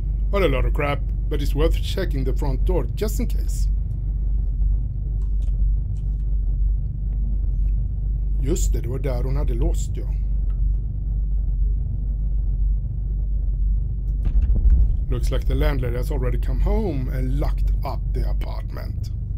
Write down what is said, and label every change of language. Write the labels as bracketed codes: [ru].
[en] What a lot of crap. But it's worth checking the front door, just in case. [sv] Just det, det var där hon hade låst, ja. [en] Looks like the landlady has already come home and locked up the apartment.